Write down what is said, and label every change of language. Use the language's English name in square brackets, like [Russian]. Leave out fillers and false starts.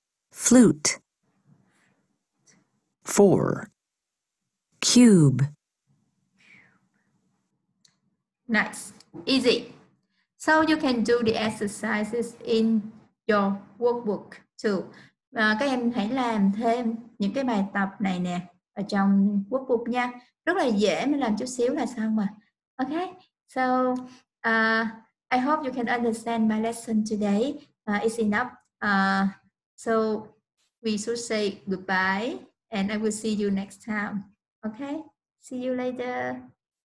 [English] Flute. 4. Cube. Nice. Easy. So you can do the exercises in your workbook too. [Vietnamese] Các em hãy làm thêm những cái bài tập này nè ở trong workbook nha. Rất là dễ mà làm chút xíu là xong mà. Okay. [English] So I hope you can understand my lesson today. It's enough. So we should say goodbye and I will see you next time. Okay. See you later.